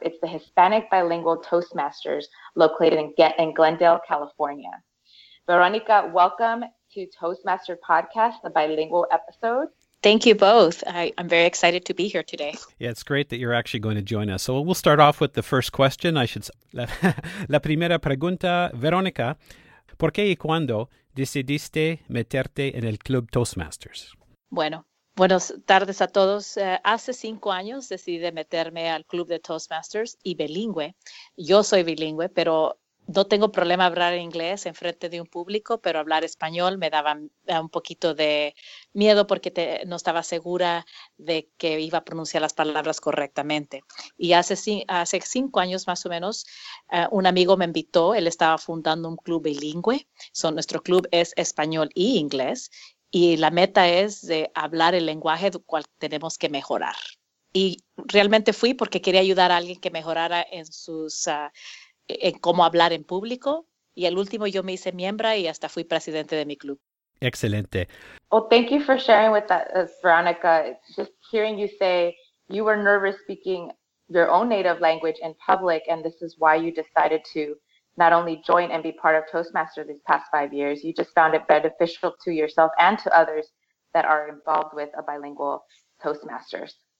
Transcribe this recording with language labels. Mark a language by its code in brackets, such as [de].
[en] It's the Hispanic Bilingual Toastmasters located in Glendale, California. Veronica, welcome to Toastmaster Podcast, the bilingual episode. Thank you both. I'm very excited to be here today. Yeah, it's great that you're actually going to join us. So we'll start off with the first question. I should say, [es] la primera pregunta, Veronica, ¿por qué y cuándo decidiste meterte en el club Toastmasters? Bueno, Buenas tardes a todos. Hace 5 años decidí meterme al club de Toastmasters y bilingüe. Yo soy bilingüe, pero no tengo problema hablar inglés en frente de un público, pero hablar español me daba un poquito de miedo porque no estaba segura de que iba a pronunciar las palabras correctamente. Y hace 5 años más o menos, un amigo me invitó. Él estaba fundando un club bilingüe. Nuestro club es español y inglés. Y la meta es de hablar el lenguaje del cual tenemos que mejorar. Y realmente fui porque quería ayudar a alguien que mejorara en sus... en cómo hablar en público. Y el último yo me hice miembro y hasta fui presidente de mi club. Excelente. [en] Well, thank you for sharing with us, Veronica. Just hearing you say you were nervous speaking your own native language in public, and this is why you decided to not only join and be part of Toastmasters these past 5 years, you just found it beneficial to yourself and to others that are involved with a bilingual Toastmasters.